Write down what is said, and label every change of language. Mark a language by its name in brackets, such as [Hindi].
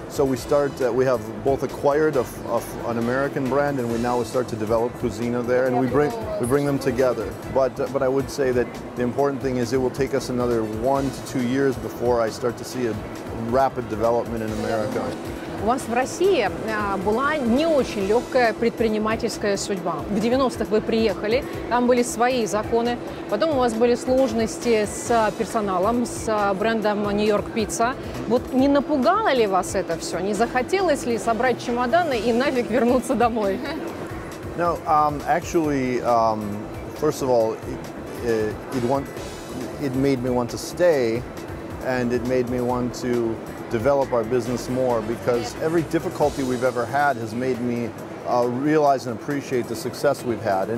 [English] So we start, we have both acquired an American brand, and we now start to develop Cuisina there, and we bring them together. But I would say that the important thing is it will take us another 1 to 2 years before I start to see a rapid development in America. [Russian] У вас в России была не очень легкая предпринимательская судьба. В 90-х вы приехали, там были свои законы. Потом у вас были сложности с персоналом, с брендом New York Pizza. Вот не напугало ли вас это все? Не захотелось ли собрать чемоданы и нафиг вернуться домой? [English] No, actually, first of all, it made me want to stay, and it made me want to develop our business more, because every difficulty we've ever had has made me realize and appreciate the success we've had.